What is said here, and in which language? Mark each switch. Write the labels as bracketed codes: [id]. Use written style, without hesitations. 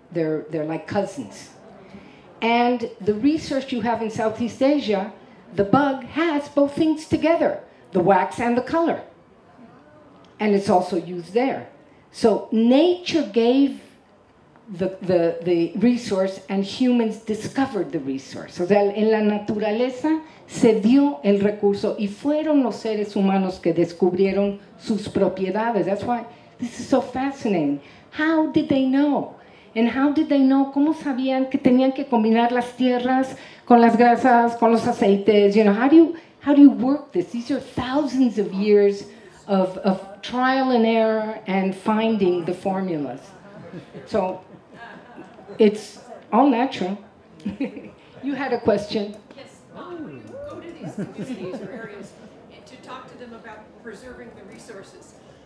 [en] They're like cousins. And the research you have in Southeast Asia, the bug has both things together, the wax and the color. And it's also used there. So nature gave the resource and humans discovered the resource. [es] O sea, en la naturaleza se dio el recurso y fueron los seres humanos que descubrieron sus propiedades. [en] That's why this is so fascinating. How did they know? And how did they know? [es] ¿Cómo sabían que tenían que combinar las tierras con las grasas, con los aceites? [en] You know, how do you work this? These are thousands of years of trial and error and finding the formulas. So it's all natural. You had a question. Yes. Oh. You go to these communities or areas and to talk to them about preserving the resources.